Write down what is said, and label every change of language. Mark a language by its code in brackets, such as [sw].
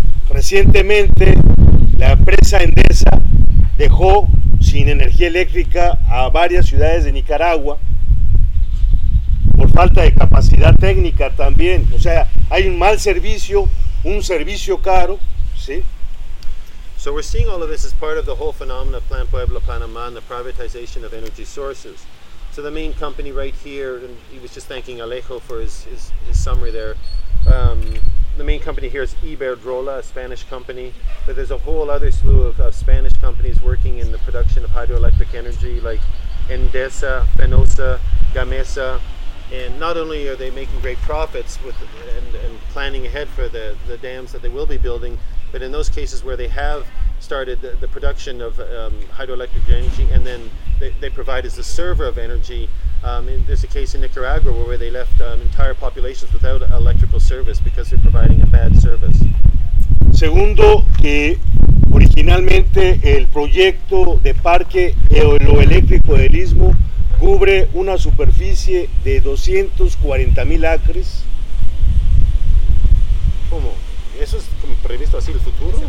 [es] Recientemente, la empresa Endesa dejó sin energía eléctrica a varias ciudades de Nicaragua por falta de capacidad técnica también. O sea, hay un mal servicio, un servicio caro, ¿sí? [en] So we're seeing all of this as part of the whole phenomenon of Plan Pueblo Panamá and the privatization of energy sources. So the main company right here, and he was just thanking Alejo for his summary there. The main company here is Iberdrola, a Spanish company, but there's a whole other slew of Spanish companies working in the production of hydroelectric energy, like Endesa, Fenosa, Gamesa, and not only are they making great profits with and planning ahead for the dams that they will be building, but in those cases where they have started the production of hydroelectric energy and then they provide as a server of energy. There's a case in Nicaragua where they left entire populations without electrical service because they're providing a bad service. [es] Segundo, que originalmente el proyecto de parque eólico del Istmo cubre una superficie de 240 mil acres. ¿Cómo? ¿Eso es como previsto así el futuro?